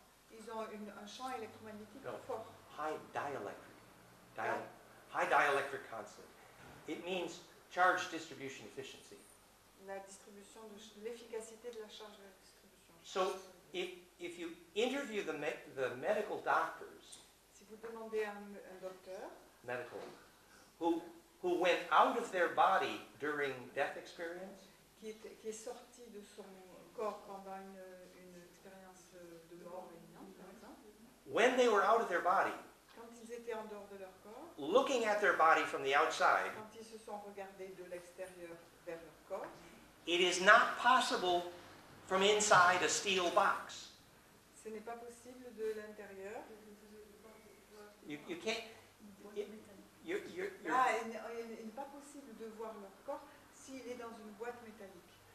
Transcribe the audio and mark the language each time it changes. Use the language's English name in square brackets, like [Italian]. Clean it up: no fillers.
[French] Ils ont un champ électromagnétique fort. [English] High dielectric. High dielectric constant. It means charge distribution efficiency. [French] La distribution de l'efficacité de la charge de la distribution. [English] So if you interview the medical doctors. [French] Vous demandez un docteur [English] medical who went out of their body during death experience [French] qui est sorti de son corps pendant une expérience de mort imminente, par exemple. [English] When they were out of their body, [French] quand ils étaient en dehors de leur corps, [English] looking at their body from the outside, [French] quand ils se sont regardés de l'extérieur vers leur corps, [English] it is not possible from inside a steel box. [French] Ce n'est pas possible de l'intérieur. [English] You can't. [French] Il n'est pas possible de voir leur corps s'il est dans une boîte métallique.